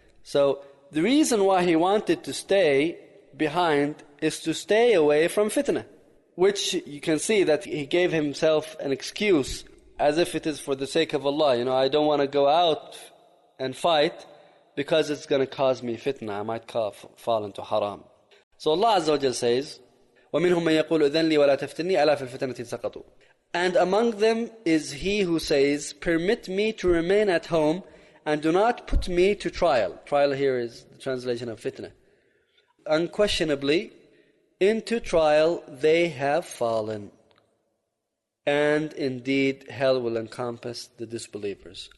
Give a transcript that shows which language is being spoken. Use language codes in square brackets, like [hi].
[en] So the reason why he wanted to stay behind is to stay away from fitna, which you can see that he gave himself an excuse as if it is for the sake of Allah. You know, I don't want to go out and fight because it's going to cause me fitna. I might fall into haram. So Allah Azza wa Jalla says, [ar] وَمِنْهُمْ مَنْ يَقُولُ أُذَنْ لِي وَلَا تَفْتِنِّي أَلَا فِي الْفِتْنَةِ سَقَطُوا. [en] And among them is he who says, permit me to remain at home and do not put me to trial. Trial here is the translation of fitna. Unquestionably, into trial they have fallen. And indeed, hell will encompass the disbelievers.